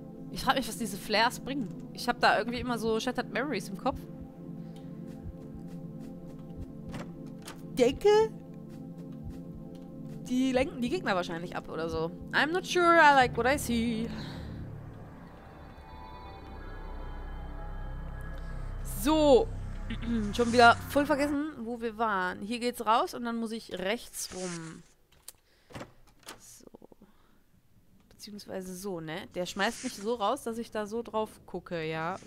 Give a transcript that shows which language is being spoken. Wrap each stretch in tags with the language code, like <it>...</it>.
<de>Ich frage mich, was diese Flares bringen. Ich habe da irgendwie immer so Shattered Memories im Kopf. Denke, die lenken die Gegner wahrscheinlich ab oder so.</de> <en>I'm not sure, I like what I see.</en> <de>So, schon wieder voll vergessen, wo wir waren. Hier geht's raus und dann muss ich rechts rum. Beziehungsweise so, ne? Der schmeißt mich so raus, dass ich da so drauf gucke, ja?</de>